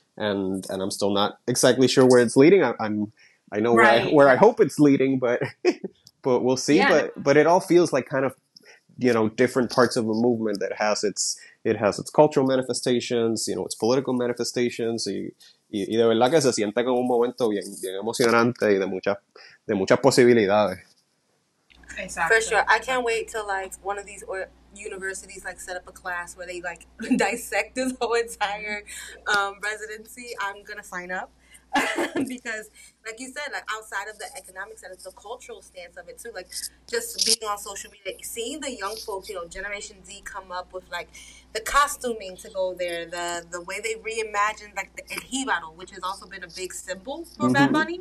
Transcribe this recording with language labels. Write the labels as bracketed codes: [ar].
[en] And I'm still not exactly sure where it's leading. I know right. Where I hope it's leading, but but we'll see. Yeah. But it all feels like kind of, you know, different parts of a movement that has its cultural manifestations, you know, its political manifestations. [es] Y de verdad que se siente como un momento bien, bien emocionante y de muchas posibilidades. [en] Exactly. For sure. I can't wait till like one of these universities like set up a class where they like dissect this whole entire residency. I'm gonna sign up. Because like you said, like outside of the economic sense, the cultural stance of it too, like just being on social media, seeing the young folks, you know, Generation Z come up with like the costuming to go there, the way they reimagine like the El Jíbaro, which has also been a big symbol for Bad Bunny.